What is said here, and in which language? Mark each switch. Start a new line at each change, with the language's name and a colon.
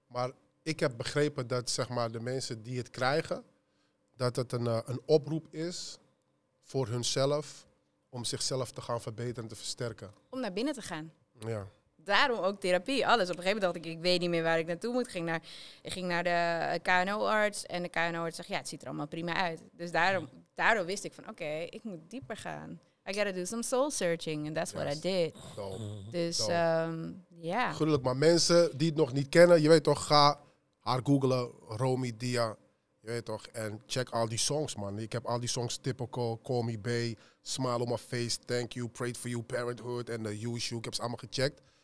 Dutch: Maar ik heb begrepen dat zeg maar, de mensen die het krijgen, dat het een oproep is voor hunzelf om zichzelf te gaan verbeteren en te versterken. Om naar binnen te gaan. Ja. Daarom ook therapie, alles. Op een gegeven moment dacht ik weet niet meer waar ik naartoe moet. Ik ging naar de KNO-arts en de KNO-arts zegt, ja, het ziet er allemaal prima uit. Dus daarom wist ik van, oké, ik moet dieper gaan.
English: I gotta do some soul searching and that's what I did. Dope.
Dutch: Dus, Gelukkig, maar mensen die het nog niet kennen, je weet toch, ga haar googlen, Romy Dia, je weet toch, en check al die songs, man. Ik heb al die songs, Typical, Call Me Bae, Smile on My Face, Thank You, Prayed For You, Parenthood en The Usual. Ik heb ze allemaal gecheckt.